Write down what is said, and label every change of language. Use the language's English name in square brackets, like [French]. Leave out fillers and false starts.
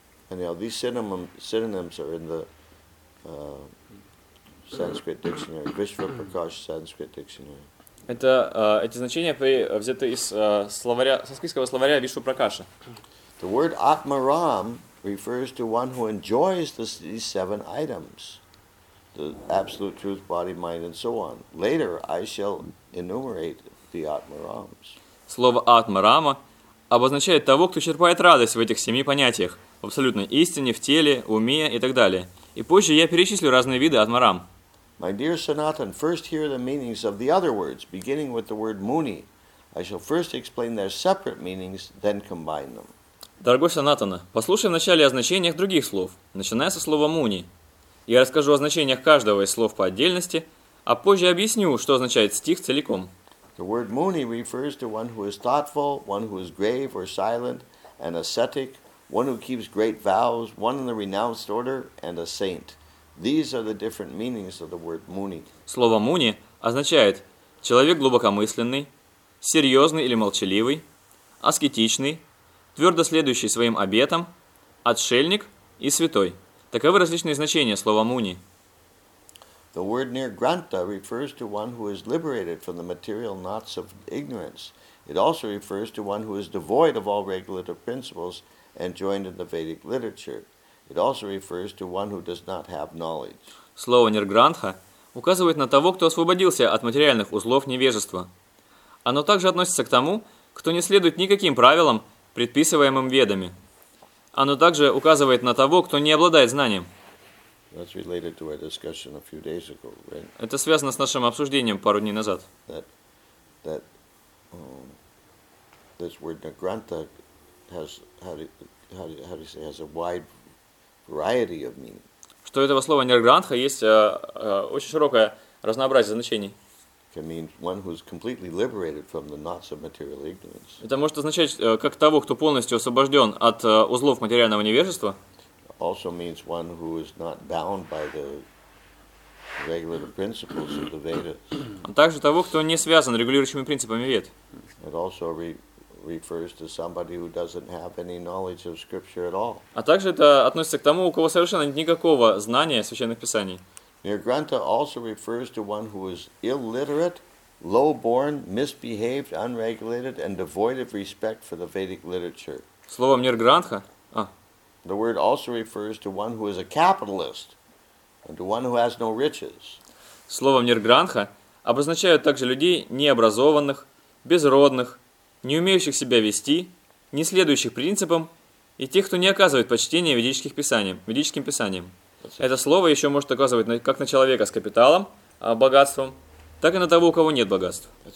[English] Anyhow, these synonyms are in the Sanskrit dictionary, Vishva Prakash Sanskrit dictionary. [Russian] Это эти значения взяты из словаря санскритского словаря Вишва Пракаша. [English] The word Atmaram refers to one who enjoys these seven items. The absolute truth, body, mind, and so on. Later, I shall enumerate the Atmarams. [Russian] Слово Атмарама обозначает того, кто черпает радость в этих семи понятиях, в абсолютной истине, в теле, уме и так далее. И позже я перечислю разные виды Атмарам. [English] My dear Sanatan, first hear the meanings of the other words, beginning with the word Muni. I shall first explain their separate meanings, then combine them. [Russian] Дорогой Санатана, послушай вначале о значениях других слов, начиная со слова Муни. Я расскажу о значениях каждого из слов по отдельности, а позже объясню, что означает стих целиком. [English] The word Muni refers to one who is thoughtful, one who is grave or silent, an ascetic, one who keeps great vows, one in the renounced order, and a saint. These are the different meanings of the word Muni. [Russian] Слово Муни означает человек глубокомысленный, серьезный или молчаливый, аскетичный, твердо следующий своим обетам, отшельник и святой. Таковы различные значения слова Муни. [English] The word Nirgranta refers to one who is liberated from the material knots of ignorance. It also refers to one who is devoid of all regulative principles and joined in the Vedic literature. It also refers to one who does not have knowledge. [Russian] Слово Nirgrantha указывает на того, кто освободился от материальных узлов невежества. Оно также относится к тому, кто не следует никаким правилам, предписываемым ведами. Оно также указывает на того, кто не обладает знанием. [English] That's related to our discussion a few days ago, right? [Russian] Это связано с нашим обсуждением пару дней назад. [English] This word Nirgrantha has, how do you say, has a wide variety of meaning. [Russian] Что этого слова Nirgrantha есть очень широкое разнообразие значений. [English] Can mean one who's completely liberated from the knots of material ignorance. [Russian] Это может означать как того, кто полностью освобожден от узлов материального невежества. [English] Also means one who is not bound by the regulative principles of the Vedas. [Russian] Также того, кто не связан регулирующими принципами Вед. [English] It also refers to somebody who doesn't have any knowledge of scripture at all. [Russian] А также это относится к тому, у кого совершенно нет никакого знания священных писаний. [English] Nirgranta also refers to one who is illiterate, low-born, misbehaved, unregulated, and devoid of respect for the Vedic literature. [Russian] Словом Nirgrantha. [English] The word also refers to one who is a capitalist, and to one who has no riches. [Russian] Словом Nirgrantha обозначают также людей необразованных, безродных, не умеющих себя вести, не следующих принципам, и тех, кто не оказывает почтения ведическим писаниям. Это слово еще может оказывать как на человека с капиталом, богатством, так и на того, у кого нет богатства.